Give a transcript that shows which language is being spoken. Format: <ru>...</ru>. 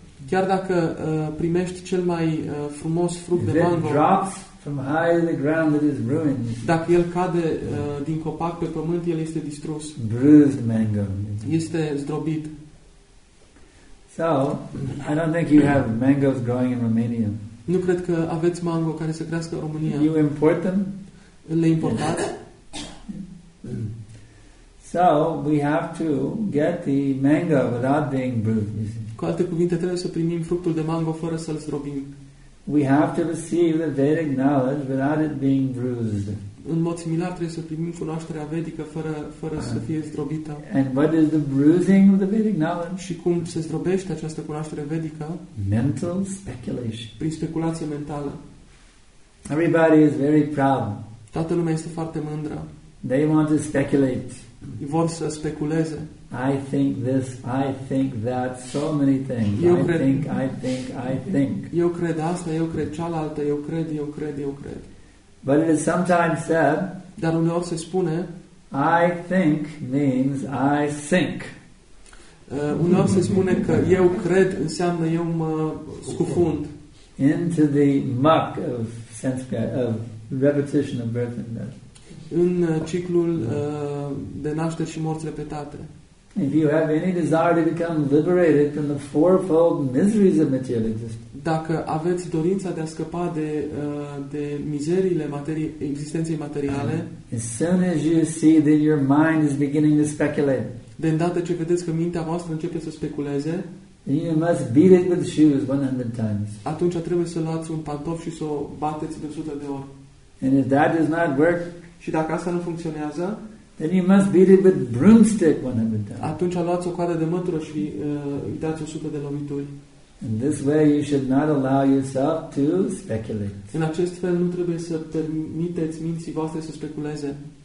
<ro>Chiar dacă primești cel mai frumos fruct</ro> <en>if</en> <ro>de mango,</ro> <en>it drops from high to the ground, it is ruined.</en> <ro>Dacă el cade din copac pe pământ, el este distrus.</ro> <en>Bruised mango.</en> <ro>Este zdrobit.</ro> <en>So, I don't think you have mangoes growing in Romania.</en> <ro>Nu cred că aveți mango care să crească în România.</ro> <en>You import them?</en> <ro>Le importați?</ro> <en>So, we have to get the mango without being bruised.</en> <ro>Cu alte cuvinte, trebuie să primim fructul de mango fără să-l zdrobim.</ro> <en>We have to receive the Vedic knowledge without it being bruised.</en> <ro>În mod similar, trebuie să primim cunoașterea vedică fără să fie zdrobită.</ro> <en>And what is the bruising of the Vedic knowledge?</en> <ro>Și cum se zdrobește această cunoaștere vedică?</ro> <en>Mental speculation.</en> <ro>Prin speculație mentală.</ro> <en>Everybody is very proud.</en> <ro>Toată lumea este foarte mândră.</ro> <en>They want to speculate.</en> <ro>Vor să speculeze.</ro> <en>I think this, I think that, so many things. I think.</en> <ro>Eu cred asta, eu cred cealaltă, eu cred.</ro> <en>But it is sometimes said.</en> <ro>Dar uneori se spune.</ro> <en>I think means I think.</en> <ro>Uneori se spune că eu cred înseamnă eu mă scufund.</ro> <en>Into the muck of Sanskrit, of repetition of birth and death.</en> <ro>În ciclul de naștere și morți repetate.</ro> <en>If you have any desire to become liberated from the fourfold miseries of material existence.</en> <ro>Dacă aveți dorința de a scăpa de mizeriile existenței materiale,</ro> <en>as soon as you see that your mind is beginning to speculate.</en> <ro>De îndată ce vedeți că mintea voastră începe să speculeze,</ro> <en>you must beat it with shoes 100 times.</en> <ro>Atunci trebuie să luați un pantof și să o bateți de 100 de ori.</ro> <en>And if that does not work,</en> <ro>și dacă asta nu funcționează,</ro> <en>then you must beat it with broomstick 100 times.</en> <ro>Atunci luați o coadă de mătură și îi dați 100 de lovituri.</ro> <en>In this way you should not allow yourself to speculate.</en> <ro>În acest fel nu trebuie să permiteți minții voastre să speculeze.</ro>